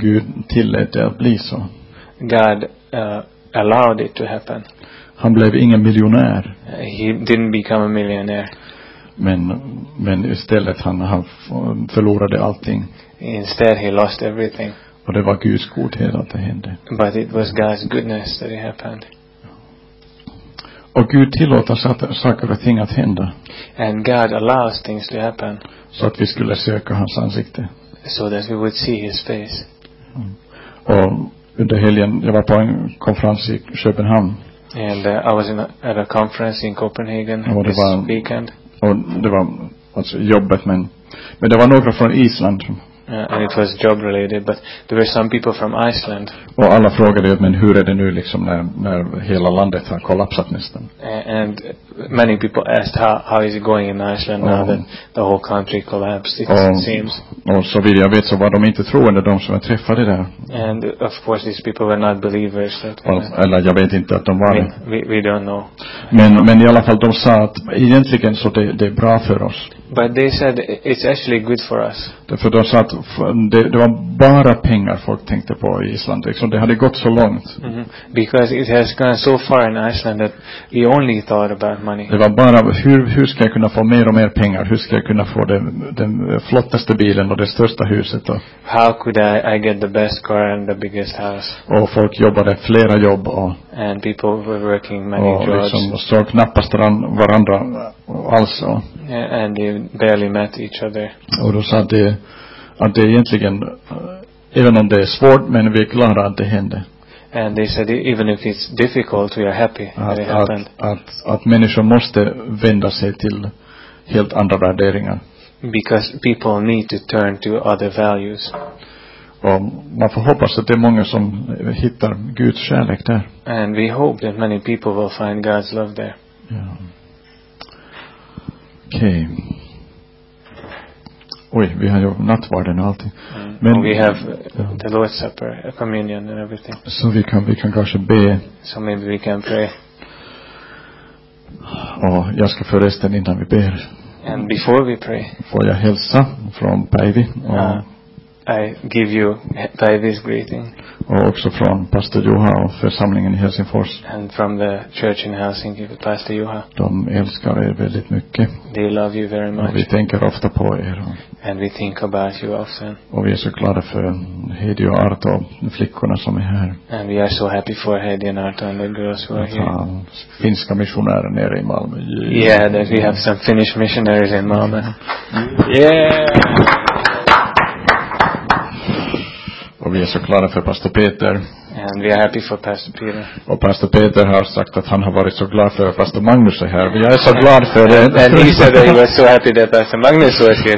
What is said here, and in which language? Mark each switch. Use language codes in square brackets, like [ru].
[sv] Gud tillät det att bli så. [en] God allowed it to happen. [sv] Han blev ingen miljonär. [en] He didn't become a millionaire. [sv] Men istället han förlorade allting. [en] Instead he lost everything. [sv] Och det var Guds godhet att det hände. [en] But it was God's goodness that it happened. [sv] Och Gud tillåter saker och ting att hända. [en] And God allows things to happen. [sv] Så att vi skulle söka hans ansikte. [en] So that we would see his face. Mm. [sv] Och under helgen, jag var på en konferens i Köpenhamn. [en] And I was at a conference in Copenhagen this weekend. [sv] Och det var alltså jobbet, men det var några från Island. [en] And it was job related, but there were some people from Iceland. [sv] Och alla frågade, men hur är det nu liksom när hela landet har kollapsat nästan? [en] And many people asked how is it going in Iceland now that the whole country collapsed, it seems. [sv] Och så vill jag veta, så var de inte troende, de som jag träffade där. [en] And of course these people were not believers. [sv] Eller jag vet inte att de var det. [en] We don't know. [sv] Men i alla fall de sa att egentligen så det är bra för oss. [en] But they said it's actually good for us. [sv] För de sa att det var bara pengar folk tänkte på i Island. Liksom det hade gått så långt. Mm-hmm. [en] Because it has gone so far in Iceland that we only thought about money. [sv] Det var bara hur ska jag kunna få mer och mer pengar? Hur ska jag kunna få den flottaste bilen och det största huset? Och [en] how could I get the best car and the biggest house? [sv] Och folk jobbade flera jobb. Och [en] and people were working many [sv] och [en] jobs. [sv] Liksom, och liksom såg knappast varandra alls. [en] And they barely met each other. [sv] Och då sa det att det egentligen, även om det är svårt, men vi är glada att det hände. [en] And they said even if it's difficult we are happy that it happened. [sv] Att människor måste vända sig till helt andra värderingar. [en] Because people need to turn to other values. [sv] Och man får hoppas att det är många som hittar Guds kärlek där. [en] And we hope that many people will find God's love there. Yeah. Okay. [sv] Oj, vi har ju nattvarden och allting. [en] Men we have the Lord's Supper, communion and everything. [sv] Så vi kan kanske be. [en] So maybe we can pray. [sv] Och jag ska förresten innan vi ber. [en] And before we pray. [sv] Får jag hälsa från Päivi. [en] I give you Päivi's greeting. [sv] Och också från Pastor Juha och församlingen i Helsingfors. [en] And from the church in Helsinki, Pastor Juha. [sv] De älskar er väldigt mycket. [en] They love you very much. [sv] Och vi tänker ofta på er. [en] And we think about you often. [sv] Och vi är så glada för Heidi och Arto, flickorna som är här. [en] And we are so happy for Heidi and Arto and the girls who are here. [sv] Finska missionärer nere i Malmö. [en] Yeah, that we have some Finnish missionaries in Malmö. Yeah! [sv] Och vi är så glada för Pastor Peter. [en] And we are happy for Pastor Peter. [sv] Och Pastor Peter har sagt att han har varit så glad för Pastor Magnus är här. Vi är så glada för det. [en] And he said that he was so happy that Pastor Magnus was here.